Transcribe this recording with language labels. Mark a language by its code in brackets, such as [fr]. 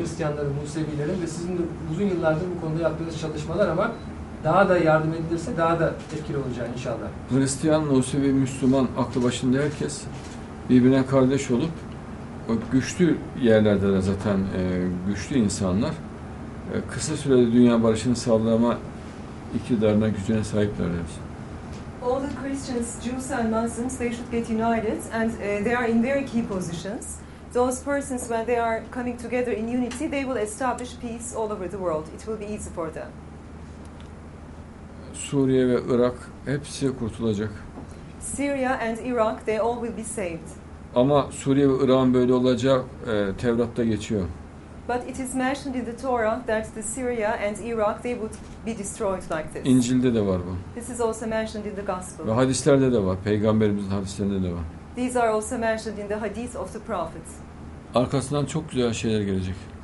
[tr] Hristiyanların, Musevilerin ve sizin de uzun yıllardır bu konuda yaptığınız çalışmalar ama daha da yardım edilirse daha da etkili olacak inşallah. Hristiyan, Musevi, Müslüman aklı başında herkes birbirine kardeş olup o güçlü yerlerde de zaten güçlü insanlar kısa sürede dünya barışını sağlama iktidarına, gücüne sahipler hepsi. [en] All the Christians, Jews and Muslims, they should get united and they are in very key positions. Those persons, when they are coming together in unity, they will establish peace all over the world. It will be easy for them. [tr] Suriye ve Irak, hepsi kurtulacak. [en] Syria and Iraq, they all will be saved. [tr] Ama Suriye ve Irak'ın böyle olacak, Tevrat'ta geçiyor. [en] But it is mentioned in the Torah that the Syria and Iraq they would be destroyed like this. [tr] İncil'de de var bu. [en] This is also mentioned in the Gospel. [tr] Ve hadislerde de var. Peygamberimizin hadislerinde de var. [en] These are also mentioned in the hadith of the prophets. [tr] Arkasından çok güzel şeyler gelecek.